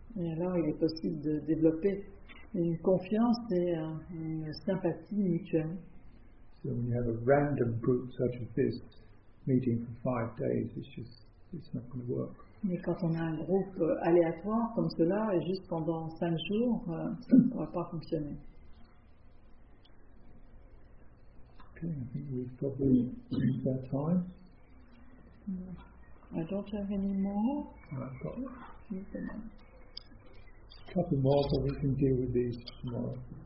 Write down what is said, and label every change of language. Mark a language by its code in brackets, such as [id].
[fr] Et alors, il est possible de développer une confiance et une sympathie mutuelle. [en] So when you have a random group such as this meeting for 5 days, it's not going to work. [fr] Mais quand on a un groupe aléatoire comme cela et juste pendant 5 jours, ça ne pourra pas fonctionner. [en] Okay, I think we've probably reached that time. I don't have any more. I've got a couple more, but we can deal with these tomorrow.